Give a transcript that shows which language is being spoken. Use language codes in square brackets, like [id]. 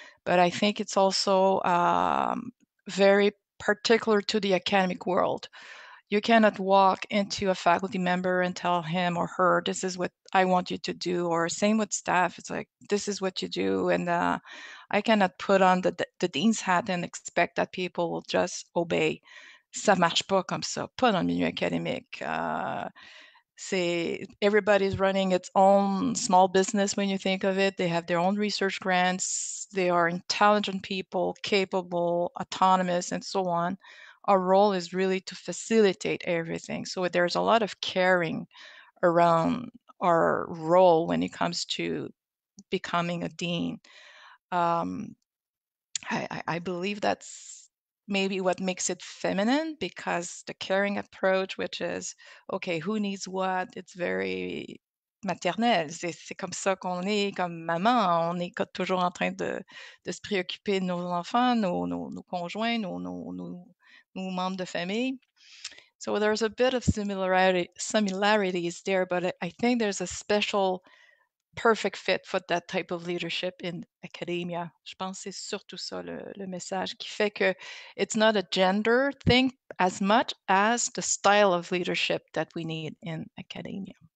[en] But I think it's also very particular to the academic world. You cannot walk into a faculty member and tell him or her, this is what I want you to do, or same with staff. It's like, this is what you do. And I cannot put on the dean's hat and expect that people will just obey. [fr] Ça marche pas comme ça, pas dans le milieu académique. [en] See, everybody's running its own small business when you think of it. They have their own research grants. They are intelligent people, capable, autonomous, and so on. Our role is really to facilitate everything. So there's a lot of caring around our role when it comes to becoming a dean. I believe that's maybe what makes it feminine, because the caring approach, which is, okay, who needs what? It's very maternel. [fr] C'est comme ça qu'on est, comme maman. On est toujours en train de se préoccuper de nos enfants, nos conjoints, nos membres de famille. [en] So there's a bit of similarities there, but I think there's a special perfect fit for that type of leadership in academia. [fr] Je pense que c'est surtout ça le message qui fait que [en] it's not a gender thing as much as the style of leadership that we need in academia.